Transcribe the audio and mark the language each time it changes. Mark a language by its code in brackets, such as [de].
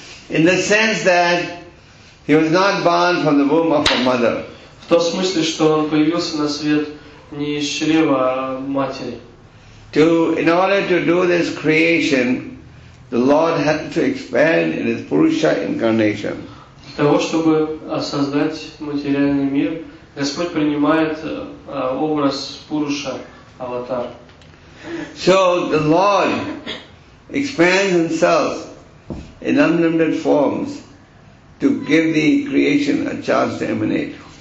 [en] In the sense that he was not born from the womb of a mother. [ru] В том смысле, что он появился на свет не из чрева, а матери. [en] In order to do this creation, the Lord had to expand in his Purusha incarnation. [ru] Для того, чтобы создать материальный мир, Господь принимает образ Пуруша, аватар. [en] So the Lord expands himself in unlimited forms to give the creation a chance to emanate.